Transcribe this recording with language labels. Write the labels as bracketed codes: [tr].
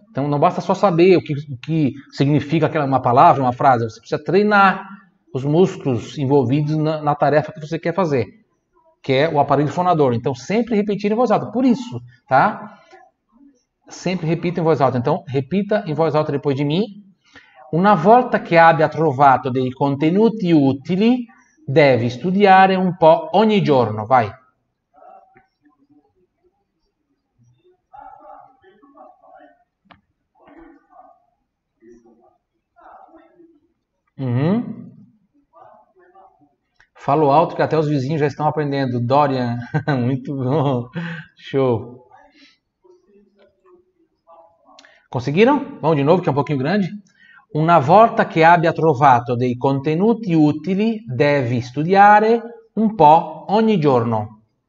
[pt] Então não basta só saber o que significa aquela uma palavra, uma frase. Você precisa treinar os músculos envolvidos na tarefa que você quer fazer. Que é o aparelho fonador. Então, sempre repetir em voz alta. Por isso, tá? Sempre repita em voz alta. Então, repita em voz alta depois de mim. [it] Una volta que abbia trovato dei contenuti utili, deve studiare un po' ogni giorno. [pt] Vai. Falo alto que até os vizinhos já estão aprendendo. Dorian, muito bom. Show. Conseguiram? Vamos de novo, que é um pouquinho grande. [it] Una volta che abbia trovato dei contenuti utili, devi studiare un po' ogni giorno.